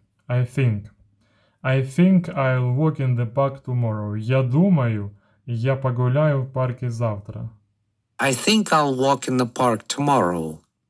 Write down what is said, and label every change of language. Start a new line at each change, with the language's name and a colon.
English: I think I'll walk in the park tomorrow.
Russian: Я думаю, я погуляю в парке завтра.
English: I think I'll walk in the park tomorrow.